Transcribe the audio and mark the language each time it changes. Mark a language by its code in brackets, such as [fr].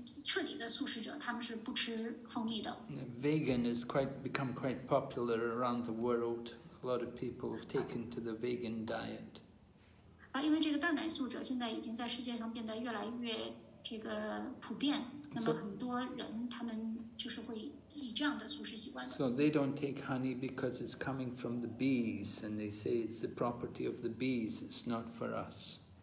[zh] 那些就是这个蛋奶素者，他们是完全彻底的素食者，他们是不吃蜂蜜的。 [en] Vegan has become quite popular around the world. A lot of people have taken to the vegan diet. [zh] 因为这个蛋奶素者现在已经在世界上变得越来越普遍，那么很多人他们就是会以这样的素食习惯的。 [en] So they don't take honey because it's coming from the bees, and they say it's the property of the bees, it's not for us.